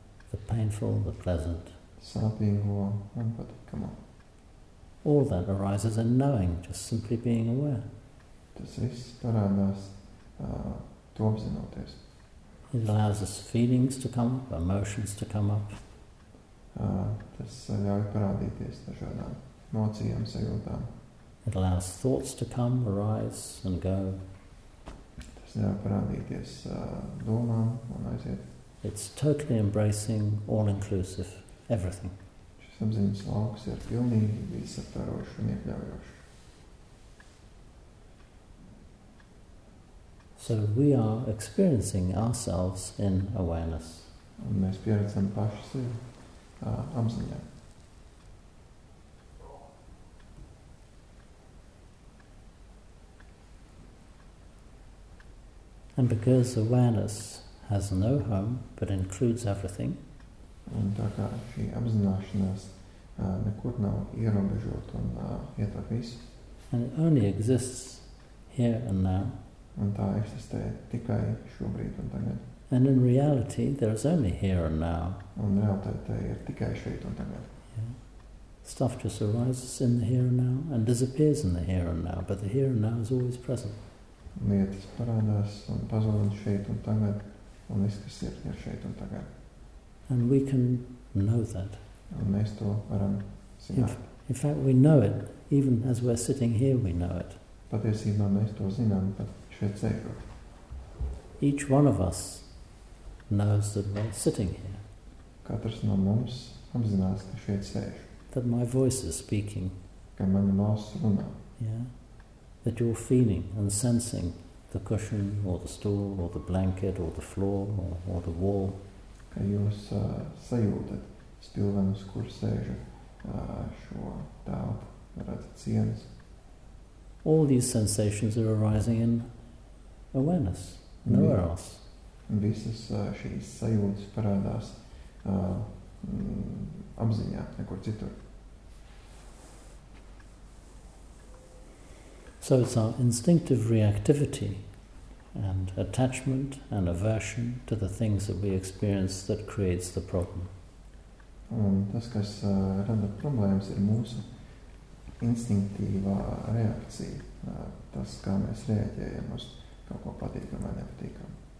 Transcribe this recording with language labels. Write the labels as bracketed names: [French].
[English] The painful, the pleasant. [Latvian] Sāpīgo un patikamo. [English] All that arises in knowing, just simply being aware. [Latvian] Tas viss parādās, to apzinoties. [English] It allows us feelings to come up, emotions to come up. [Latvian] Tas ļauj parādīties dažādām. Mocijām, sajūtām. [English] It allows thoughts to come, arise and go. [Latvian] Tas ļauj parādīties domām un aiziet. [English] It's totally embracing, all-inclusive, everything. [Latvian] Šis apziņas lauks ir pilnīgi visaptvarošs un iekļaujošs. [English] So we are experiencing ourselves in awareness. [Latvian] Un mēs pieredzam paši sevi apziņā. [English] And because awareness has no home but includes everything, [Latvian] un tā kā šī apzināšanās nekur nav ierobežota un ietver visu, [English] and it only exists here and now, [Latvian] un tā eksistē tikai šobrīd un tagad, [English] and in reality there is only here and now, [Latvian] un realitāte ir tikai šeit un tagad. [English] Stuff just arises in the here and now and disappears in the here and now, but the here and now is always present. [Latvian] Lietas parādās un pazūdās šeit un tagad, un viss, kas ir šeit un tagad. [English] And we can know that. [Latvian] Un mēs to varam zināt. [English] In fact, we know it. Even as we're sitting here, we know it. [Latvian] Patiesībā mēs to zinām, pat šeit sēžot. [English] Each one of us knows that we're sitting here. [Latvian] Katrs no mums apzinās, ka šeit sēž. [English] That my voice is speaking. [Latvian] Ka mana balss runā. [English] Yeah. That you're feeling and sensing the cushion or the stool or the blanket or the floor or the wall. [Latvian] Ka jūs sajūtat spilvenus, kur sēž šo tālpu, redzat sienas. [English] All these sensations are arising in awareness, nowhere else. [Latvian] Visas šīs sajūtas parādās apziņā, nekur citur. [English] So it's our instinctive reactivity and attachment and aversion to the things that we experience that creates the problem. [Latvian] Un tas, kas rada problēmas, ir mūsu instinktīvā reakcija, tas, kā mēs reaģējam uz kaut ko patīkam vai nepatīkam.